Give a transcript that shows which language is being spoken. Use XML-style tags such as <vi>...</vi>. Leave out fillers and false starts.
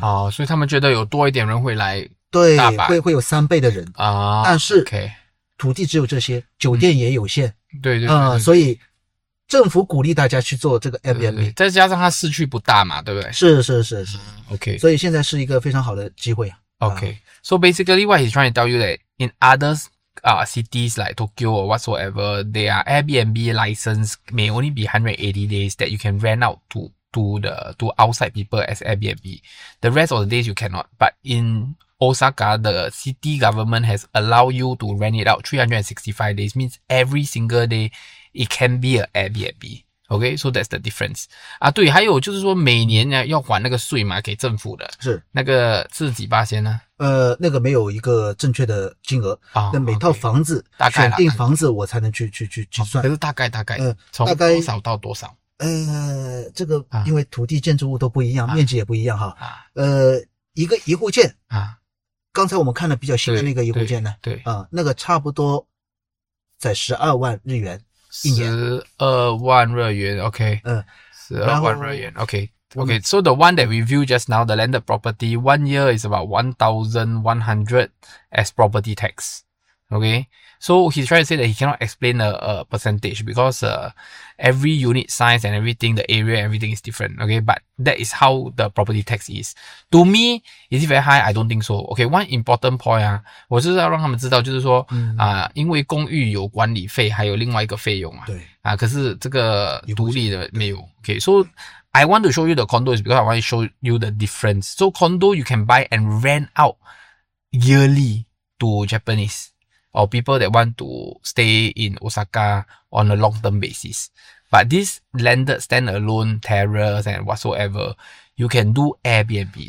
<zh>哦，所以他们觉得有多一点人会来大阪。对，会有三倍的人。啊，但是 OK。土地只有这些，酒店也有限。对对。所以政府鼓励大家去做这个 Airbnb。再加上它市区不大嘛，对不对？是是是是。 OK。所以现在是一个非常好的机会。 OK。</zh> <en>So basically what he's trying to tell you that in others,cities like Tokyo or whatsoever, their Airbnb license may only be 180 days that you can rent out to outside people as Airbnb. The rest of the days you cannot. But in Osaka, the city government has allowed you to rent it out 365 days, means every single day it can be an Airbnb. Okay, so that's the difference.</en> <zh>啊，对，还有就是说每年呢要还那个税嘛，给政府的。是。那个是几巴仙呢？那个没有一个正确的金额。啊、哦。那每套房子。大概。选定房子我才能去计算。可是大概。从多少到多少。这个因为土地建筑物都不一样、啊、面积也不一样哈。啊。一个一户建。啊。刚才我们看了比较新的那个一户建呢。对。啊、那个差不多在12万日元。 12万日元 ,OK, 12万日元</zh> <en>,OK,OK, so the one that we view just now, the landed property, 1 year is about 1,100 as property tax, okay, so he's trying to say that he cannot explain a percentage because every unit size and everything, the area, everything is different, okay, but that is how the property tax is. To me, is it very high? I don't think so. Okay, one important point,</en> <zh>啊，我就是要让他们知道，就是说，啊，因为公寓有管理费，还有另外一个费用嘛，对，啊，可是这个独立的没有。</zh> <en>Okay, so I want to show you the condo is because I want to show you the difference. So condo you can buy and rent out yearly to Japanese. Or people that want to stay in Osaka on a long-term basis. But this landed standalone terrace and whatsoever, you can do Airbnb.</en>